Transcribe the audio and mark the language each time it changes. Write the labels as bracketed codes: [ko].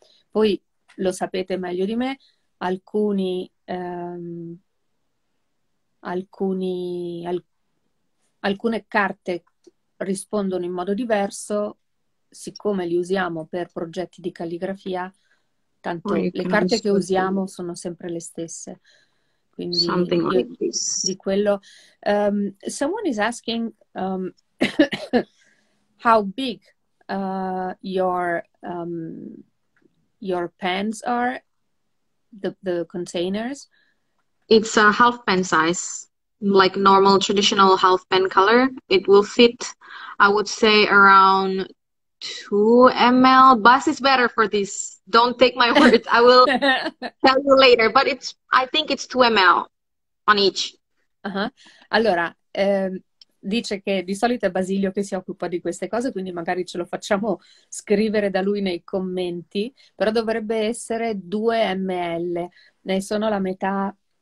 [it] Poi lo sapete meglio di me, alcune carte rispondono in modo diverso, siccome li usiamo per progetti di calligrafia, tanto le carte che usiamo sono sempre le stesse. Quindi [en] something like this. [it] Di quello. [en] Someone is asking how big your pens are, the containers. It's a half pen size, like normal traditional half pen color. It will fit, I would say, around 2 ml, but it's better for this. Don't take my word. I will tell you later, but I think it's 2 ml on each. [it] Allora, dice che di solito è Basilio che si occupa di queste cose, quindi magari ce lo facciamo scrivere da lui nei commenti, però dovrebbe essere 2 ml, ne sono la metà.